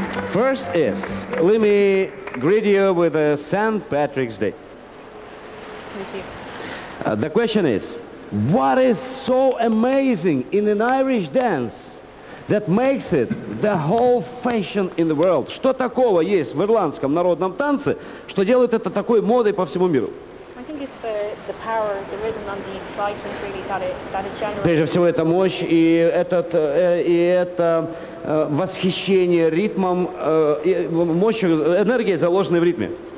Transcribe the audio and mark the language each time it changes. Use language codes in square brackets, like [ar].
[en] First is, let me greet you with a St. Patrick's Day. Thank you. The question is, what is so amazing in an Irish dance that makes it the whole fashion in the world? [ru] Что такого есть в ирландском народном танце, что делает это такой модой по всему миру? [en] I think it's the power, the rhythm and the excitement really that it generates. [ru] Прежде всего, это мощь и это восхищение ритмом, мощью, энергией, заложенной в ритме.